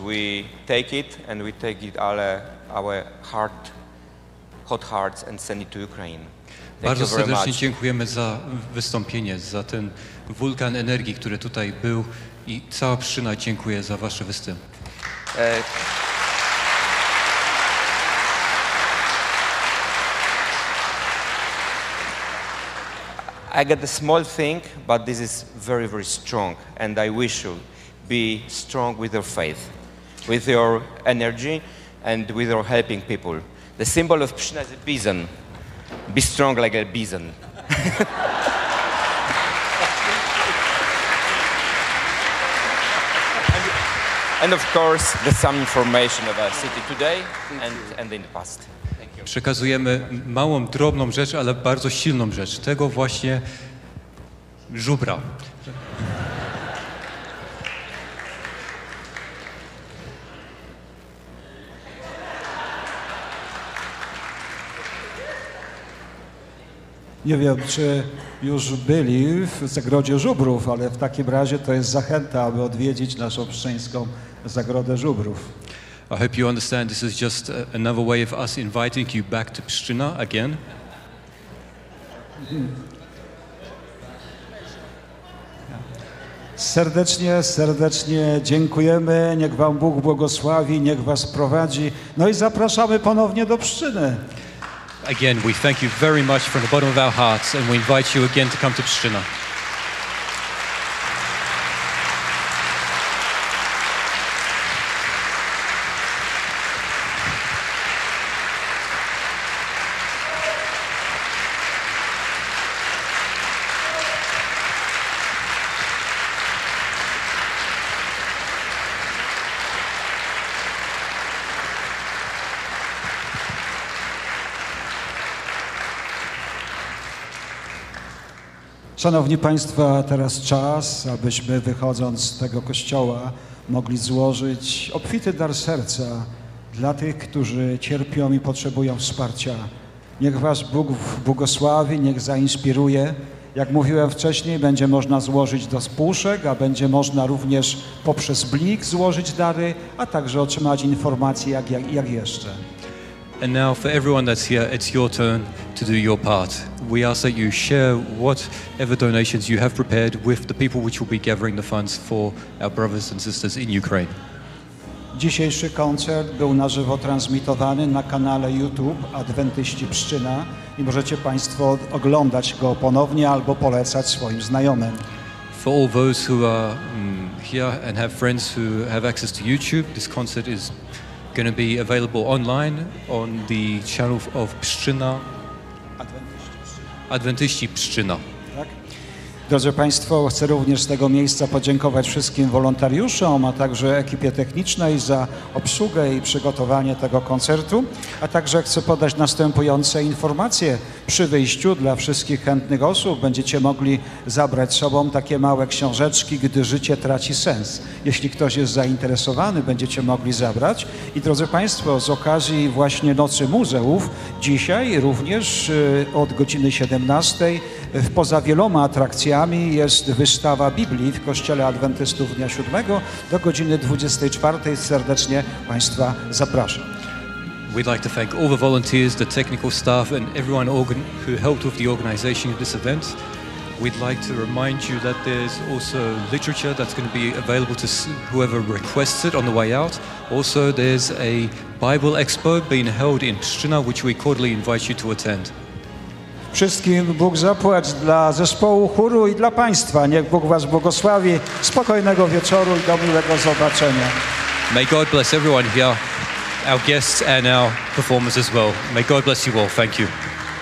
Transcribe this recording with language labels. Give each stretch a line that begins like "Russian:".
English: We take it and we take it all our heart, hot hearts and send it to Ukraine.
Polish: Bardzo serdecznie dziękujemy za wystąpienie, za ten wulkan energii, który tutaj był i cała Pszczyna dziękuję za wasze występ.
English: I got a small thing, but this is very, very strong and I wish you be strong with your faith, with your energy and with your helping people. The symbol of Pszczyna is a bison. Be strong like a bison. And of course, there's some information about city today and in the past. Thank you.
Polish: Przekazujemy małą, drobną rzecz, ale bardzo silną rzecz. Tego właśnie żubra. Nie wiem, czy już byli w Zagrodzie Żubrów, ale w takim razie to jest zachęta, aby odwiedzić naszą pszczyńską Zagrodę Żubrów. I hope you understand this is just another way of us inviting you back to Pszczyna again. Serdecznie, serdecznie dziękujemy, niech wam Bóg błogosławi, niech was prowadzi. No i zapraszamy ponownie do Pszczyny. Again, we thank you very much from the bottom of our hearts and we invite you again to come to Pszczyna. Szanowni Państwo, teraz czas, abyśmy wychodząc z tego kościoła mogli złożyć obfity dar serca dla tych, którzy cierpią i potrzebują wsparcia. Niech was Bóg błogosławi, niech zainspiruje. Jak mówiłem wcześniej, będzie można złożyć do spółszek, a będzie można również poprzez blik złożyć dary, a także otrzymać informacje jak jeszcze.
English: And now for everyone that's here, it's your turn to do your part. We ask that you share whatever donations you have prepared with the people which will be gathering the funds for our brothers and sisters in Ukraine.
Polish: Dzisiejszy koncert był na żywo transmitowany na kanale YouTube Adwentyści Pszczyna i możecie Państwo oglądać go ponownie albo polecać swoim znajomym.
English: For all those who are here and have friends who have access to YouTube, this concert is going to be available online on the channel of Pszczyna.
Polish: Adwentyści Pszczyna. Tak. Drodzy Państwo, chcę również z tego miejsca podziękować wszystkim wolontariuszom, a także ekipie technicznej za obsługę i przygotowanie tego koncertu, a także chcę podać następujące informacje. Przy wyjściu dla wszystkich chętnych osób będziecie mogli zabrać sobą takie małe książeczki, gdy życie traci sens. Jeśli ktoś jest zainteresowany, będziecie mogli zabrać. I drodzy Państwo, z okazji właśnie Nocy Muzeów, dzisiaj również od godziny 17 poza wieloma atrakcjami jest wystawa Biblii w Kościele Adwentystów Dnia Siódmego. Do godziny 24 serdecznie Państwa zapraszam.
English: We'd like to thank all the volunteers, the technical staff and everyone who helped with the organization of this event. We'd like to remind you that there's also literature that's going to be available to whoever requests it on the way out. Also, there's a Bible expo being held in Pszczyna, which we cordially invite you to attend.
Polish: Wszystkim Bóg zapłać dla zespołu chóru i dla Państwa. Niech Bóg was błogosławi. Spokojnego wieczoru i do miłego zobaczenia.
English: May God bless everyone here, our guests and our performers as well. May God bless you all. Thank you.